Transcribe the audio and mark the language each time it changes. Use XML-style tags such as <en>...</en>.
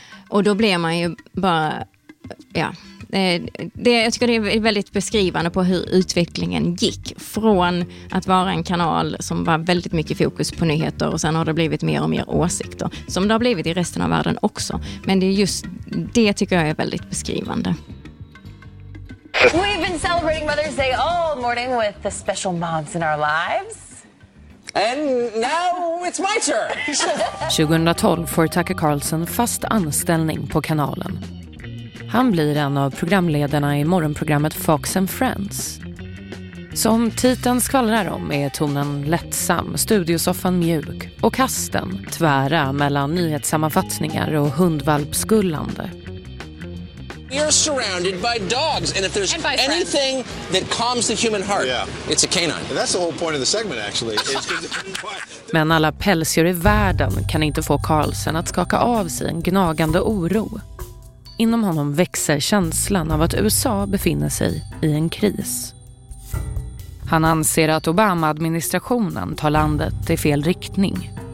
<sv>Och då blir man ju bara, ja, det, jag tycker det är väldigt beskrivande på hur utvecklingen gick från att vara en kanal som var väldigt mycket fokus på nyheter, och sen har det blivit mer och mer åsikter, som det har blivit i resten av världen också. Men det är just det tycker jag är väldigt beskrivande.</sv> <en>We've been celebrating Mother's Day all morning with the special moms in our lives. And now it's my turn.</en> <sv>2012 får Tucker Carlson fast anställning på kanalen. Han blir en av programledarna i morgonprogrammet Fox and Friends. Som titeln skvallrar om är tonen lättsam, studiosoffan mjuk och kasten tvära mellan nyhetssammanfattningar och hundvalpsgullande.</sv> <en>You're surrounded by dogs, and if there's anything that calms the human heart, yeah, it's a canine. And that's the whole point of the segment, actually.</en> <sv>Men alla pälsdjur i världen kan inte få Carlsen att skaka av sig en gnagande oro. Inom honom växer känslan av att USA befinner sig i en kris. Han anser att Obama-administrationen tar landet i fel riktning.</sv>